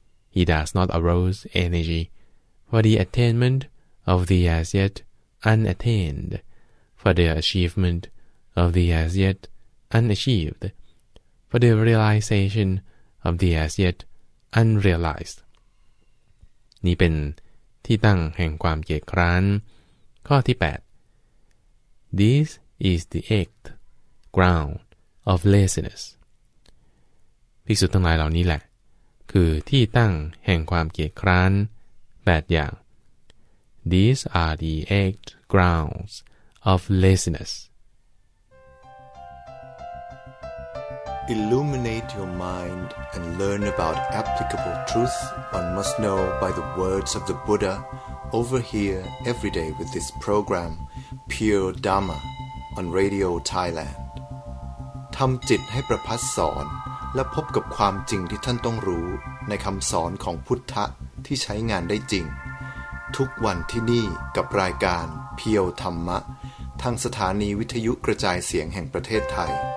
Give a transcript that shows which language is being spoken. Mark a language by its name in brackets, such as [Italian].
[English] He does not arouse energy for the attainment of the as yet unattained, for the achievement of the as yet unachieved, for the realization of the as yet unrealized. [Thai] นี่เป็นที่ตั้งแห่งความเกียจคร้านข้อที่8 [English] This is the eighth ground of laziness. [Thai] ภิกษุทั้งหลายเหล่านี้แหละคือที่ตั้งแห่งความเกียจคร้าน8อย่าง [English] These are the eight grounds of laziness. Illuminate your mind and learn about applicable truth one must know by the words of the Buddha over here every day with this program Pure Dharma on Radio Thailand. [Thai] ทำจิตให้ประพัสสอนและพบกับความจริงที่ท่านต้องรู้ในคำสอนของพุทธะที่ใช้งานได้จริงทุกวันที่นี่กับรายการเพียวธรรมะทางสถานีวิทยุกระจายเสียงแห่งประเทศไทย